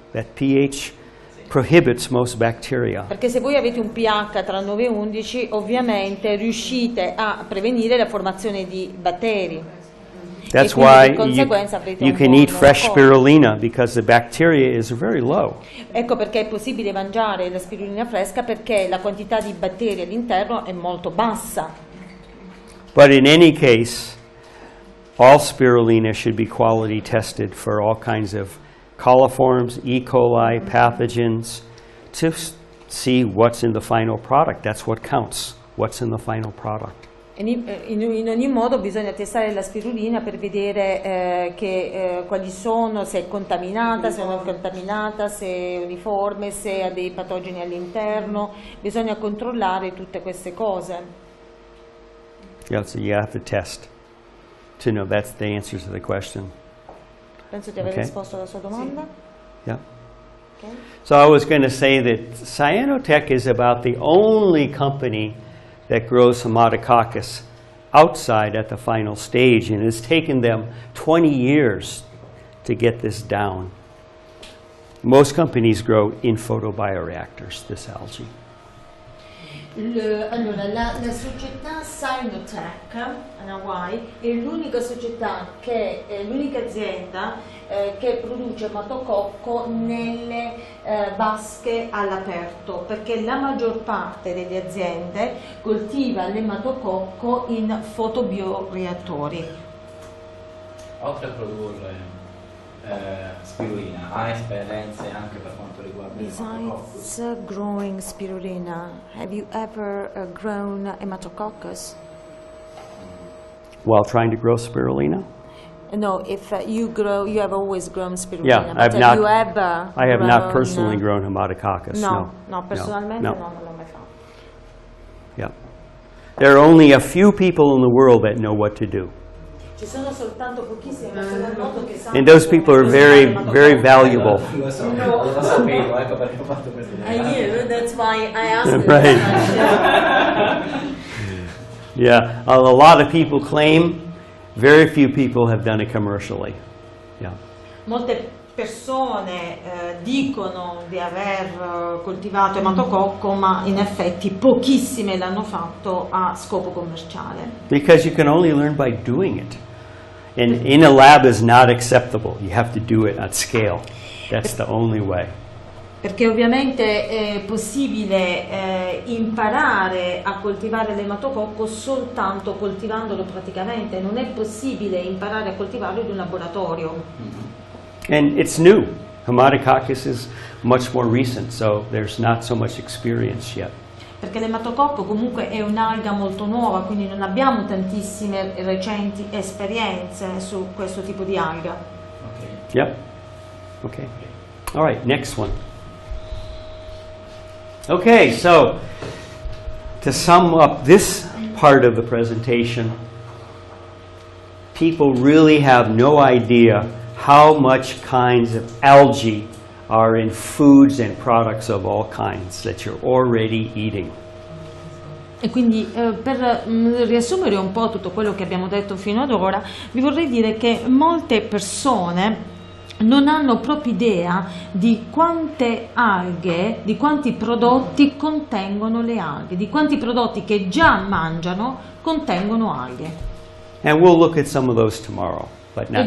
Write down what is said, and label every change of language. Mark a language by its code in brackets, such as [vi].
[en] That pH prohibits most bacteria. [it] Perché se voi avete un pH tra 9 e 11, ovviamente riuscite a prevenire la formazione di batteri. [en] That's why you can eat fresh spirulina, because the bacteria is very low. [it] Ecco perché è possibile mangiare la spirulina fresca, perché la quantità di batteri all'interno è molto bassa. [en] But in any case, all spirulina should be quality tested for all kinds of coliforms, E. coli, pathogens, to see what's in the final product. That's what counts, what's in the final product. [it] In ogni modo bisogna testare la spirulina per vedere quali sono, se è contaminata, se non è contaminata, se è uniforme, se ha dei patogeni all'interno. Bisogna controllare tutte queste cose. [en] Yeah, so you have to test to know that's the answer to the question. [it] Penso di aver risposto alla sua domanda. [en] Sì. Yeah. Okay. So I was going to say that Cyanotech is about the only company that grows Haematococcus outside at the final stage, and it's taken them 20 years to get this down. Most companies grow in photobioreactors, this algae. [it] La società Cyanotech in Hawaii è l'unica società che è l'unica azienda che produce matococco nelle vasche all'aperto, perché la maggior parte delle aziende coltiva le matococco in fotobioreattori. Oltre a produrre spirulina, ha esperienze anche per quanto riguarda [en] besides growing spirulina, have you ever grown Haematococcus while trying to grow spirulina? No, if you grow, you have always grown spirulina. Yeah, I have not. You have, I have not personally grown haematococcus. No, [it] no, no, personalmente no. Non l'ho mai fatto. [en] Yeah, there are only a few people in the world that know what to do. [it] Ci sono soltanto pochissimi, ma sono molto che sanno. [en] And those people are very, very valuable. That's why I asked. Right. Yeah, a lot of people claim. Very few people have done it commercially. Yeah. [it] Molte persone dicono di aver coltivato ematococco, ma in effetti pochissime l'hanno fatto a scopo commerciale. [en] Because you can only learn by doing it. And in a lab is not acceptable. You have to do it at scale. That's the only way. [it] Perché ovviamente è possibile imparare a coltivare l'ematococco soltanto coltivandolo praticamente. Non è possibile imparare a coltivarlo in un laboratorio. [en] And it's new. Haematococcus is much more recent, so there's not so much experience yet. [it] Perché l'ematococco comunque è un'alga molto nuova, quindi non abbiamo tantissime recenti esperienze su questo tipo di alga. [en] Okay. Yep. Okay. All right, next one. Okay, so to sum up this part of the presentation, people really have no idea how much kinds of algae are in foods and products of all kinds that you're already eating. [it] E quindi per riassumere un po' tutto quello che abbiamo detto fino ad ora, vi vorrei dire che molte persone non hanno proprio idea di quante alghe, di quanti prodotti contengono le alghe, di quanti prodotti che già mangiano contengono alghe. [en] And we'll look at some of those tomorrow, but not